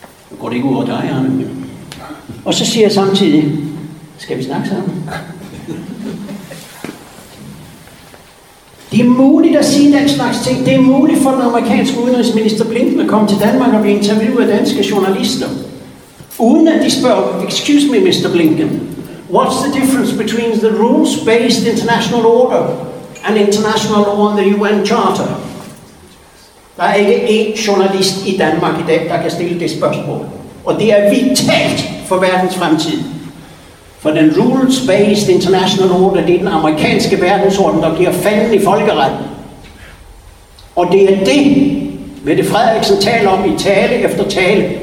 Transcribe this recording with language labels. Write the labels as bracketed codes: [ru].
[da] Nu går det ikke over dig, Arne. Og så siger jeg samtidig, skal vi snakke sammen? Det er muligt at sige den slags ting. Det er muligt for den amerikanske udenrigsminister Blinken at komme til Danmark og blive interviewet af danske journalister. Uden at de spørger, [en] excuse me, Mr. Blinken, what's the difference between the rules-based international order and international law and the UN Charter? [da] Der er ikke én journalist i Danmark i dag, der kan stille det spørgsmål. Og det er vitalt for verdens fremtid. For den rules-based international order, det er den amerikanske verdensorden, der giver fanden i folkeretten. Og det er det, Mette Frederiksen taler om i tale efter tale.